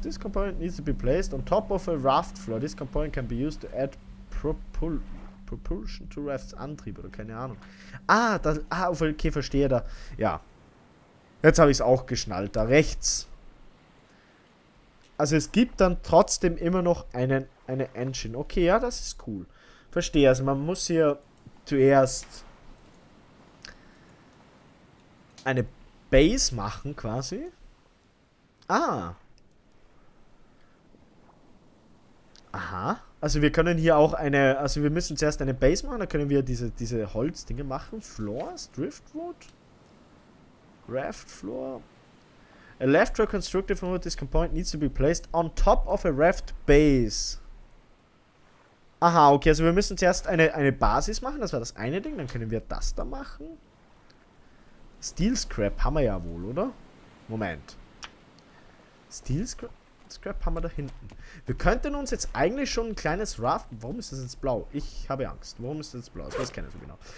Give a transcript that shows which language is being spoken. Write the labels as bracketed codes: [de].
[en] This component needs to be placed on top of a raft floor. This component can be used to add propulsion to rafts. [de] Antrieb oder keine Ahnung. Ah, das. Ah, okay, verstehe da. Ja. Jetzt habe ich es auch geschnallt. Da rechts. Also es gibt dann trotzdem immer noch eine Engine. Okay, ja, das ist cool. Verstehe. Also man muss hier zuerst eine Base machen quasi. Ah. Aha. Also wir können hier auch eine. Also wir müssen zuerst eine Base machen. Da können wir diese Holzdinge machen. [en] Floors, Driftwood, Raft Floor. A left row constructed from this component needs to be placed on top of a raft base. [de] Aha, okay, also wir müssen zuerst eine Basis machen. Das war das eine Ding. Dann können wir das da machen. Steel Scrap haben wir ja wohl, oder? Moment. Steel Scrap haben wir da hinten. Wir könnten uns jetzt eigentlich schon ein kleines Raft. Warum ist das jetzt blau? Ich habe Angst. Warum ist das jetzt blau? Das weiß keiner so genau.